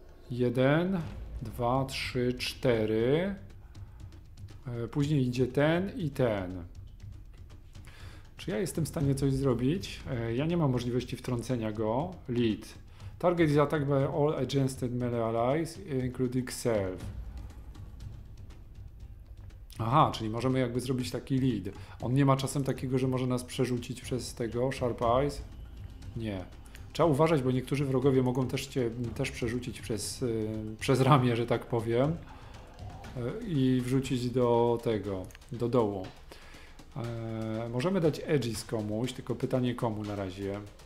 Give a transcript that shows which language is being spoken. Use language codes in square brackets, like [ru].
[pl] Jeden, dwa, trzy, cztery. Później idzie ten i ten. Czy ja jestem w stanie coś zrobić? Ja nie mam możliwości wtrącenia go. [en] Lead. Target is attacked by all adjusted melee allies, including self. [pl] Aha, czyli możemy jakby zrobić taki lead. On nie ma czasem takiego, że może nas przerzucić przez tego Sharp Eyes? Nie. Trzeba uważać, bo niektórzy wrogowie mogą też cię też przerzucić przez ramię, że tak powiem. I wrzucić do tego, do dołu. Możemy dać edges komuś, tylko pytanie komu na razie.